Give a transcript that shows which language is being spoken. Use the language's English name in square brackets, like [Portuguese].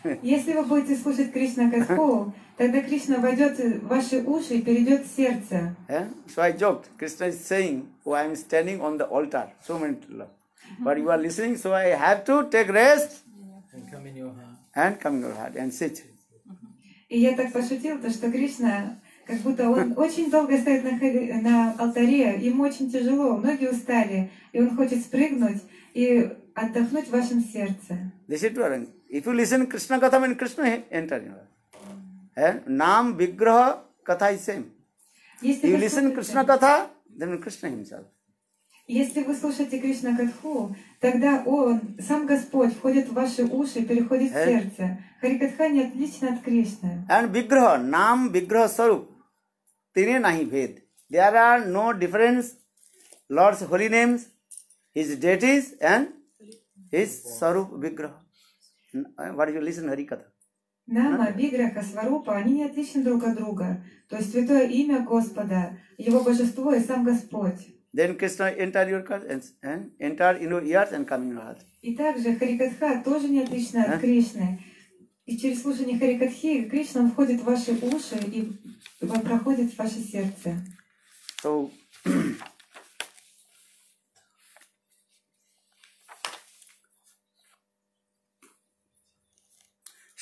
[Russian] Если вы будете слушать Кришна катху, тогда Кришна войдет в ваши уши и перейдет в сердце. [English] So I joked. Krishna is saying, oh, I am standing on the altar, so many love. But you are listening, so I have to take rest. And come in your heart. And come in your heart and sit. [Russian] И я так пошутил, то что Кришна как будто он очень долго стоит на алтаре, ему очень тяжело, ноги устали, и он хочет спрыгнуть и отдохнуть в вашем сердце. [English] This is true. If you listen Krishna katha, then Krishna enter your heart. Naam vigraha katha is same. [Russian] Если [English] you listen Krishna katha, then Krishna himself. [Russian] Если вы слушаете Кришна катху, тогда он, сам Господь, входит в ваши уши и переходит в сердце. Харикатха не отлична от Кришны. [Bangla] And vigraha, naam vigraha sarup, tine nahi bhed. [English] There are no difference, Lord's holy names, his deities and his sarup vigraha. What do you listen, Harikatha? [Russian] Нама, виграха, сварупа, они не отличны друг от друга. То есть святое имя Господа, его божество и сам Господь. [English] Then Krishna enter your heart and enter in your ears and come in your heart. [Russian] И также харикатха тоже не отлична от Кришны. И через слушание харикатхи Кришна входит в ваши уши и проходит в ваше сердце. [English] So Shri